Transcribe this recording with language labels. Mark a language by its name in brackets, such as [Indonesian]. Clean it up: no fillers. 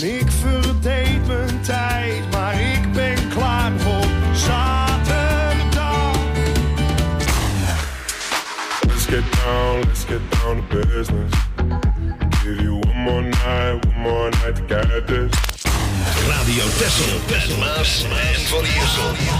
[Dutch] En ik verdeed mijn tijd, maar ik ben klaar voor zaterdag. [English] Let's get down to business. Give you one more night to get this. [Dutch] Radio Texel, met Maas en Van Iersel.